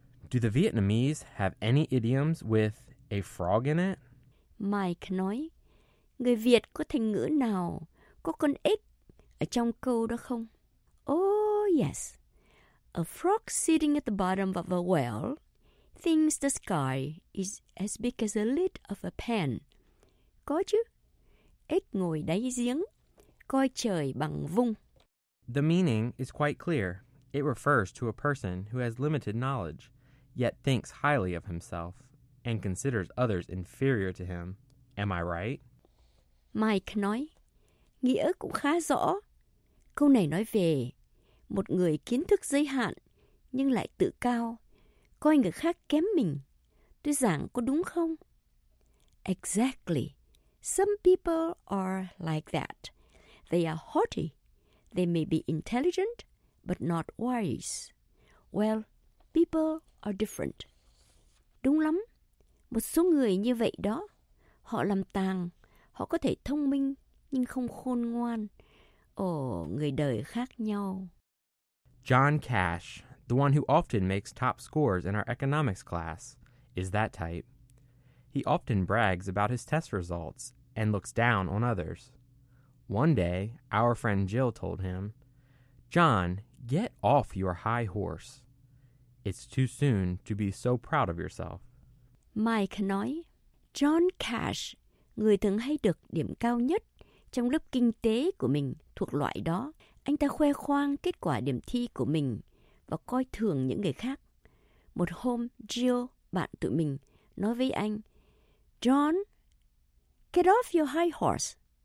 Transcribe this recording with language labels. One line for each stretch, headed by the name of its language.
English: Do the Vietnamese have any idioms with a frog in it?
Vietnamese: Mike nói, người Việt có thành ngữ nào có con ếch ở trong câu đó không?
English: Oh, yes. A frog sitting at the bottom of a well thinks the sky is as big as a lid of a pan.
Vietnamese: Có chứ. Ếch ngồi đáy giếng, coi trời bằng vung.
English: The meaning is quite clear. It refers to a person who has limited knowledge, yet thinks highly of himself, and considers others inferior to him. Am I right?
Vietnamese: Mike nói, nghĩa cũng khá rõ. Câu này nói về một người kiến thức giới hạn nhưng lại tự cao, coi người khác kém mình. Tôi giảng có đúng không?
English: Exactly. Some people are like that. They are haughty. They may be intelligent, but not wise. Well, people are different.
Vietnamese: Đúng lắm. Một số người như vậy đó. Họ làm tàng. Họ có thể thông minh, nhưng không khôn ngoan. Ồ, người đời khác nhau.
English: John Cash, the one who often makes top scores in our economics class, is that type. He often brags about his test results and looks down on others. One day, our friend Jill told him, John, get off your high horse. It's too soon to be so proud of yourself.
Vietnamese: Mike nói, John Cash, người thường hay được điểm cao nhất trong lớp kinh tế của mình thuộc loại đó. Anh ta khoe khoang kết quả điểm thi của mình và coi thường những người khác. Một hôm, Jill, bạn tụi mình, nói với anh, John,
English: get off your high horse.